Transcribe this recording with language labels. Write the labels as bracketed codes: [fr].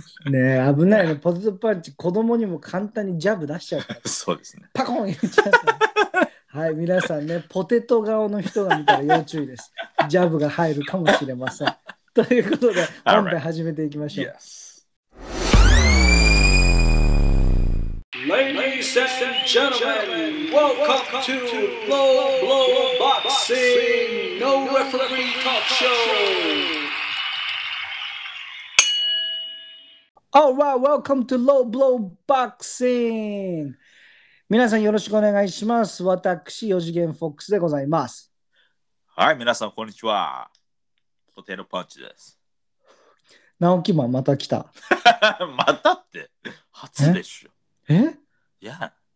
[ja] ねえ危ないね、ポテトパンチ子供にも簡単にジャブ出しちゃうからそうですね、パコン言っちゃったはい、皆さんねポテト顔の人が見たら要注意です、ジャブが入るかもしれませんということで本編始めていきましょう。 [en] Yes. Ladies and gentlemen, welcome to Low Blow Boxing, No Referee Talk Show. All right, welcome to Low Blow Boxing. [ja] 皆さんよろしくお願いします。私、四次元フォックスでございます。はい、皆さんこんにちは。ポテトパンチです。直樹マンまた来た。またって初でしょ。え？いや、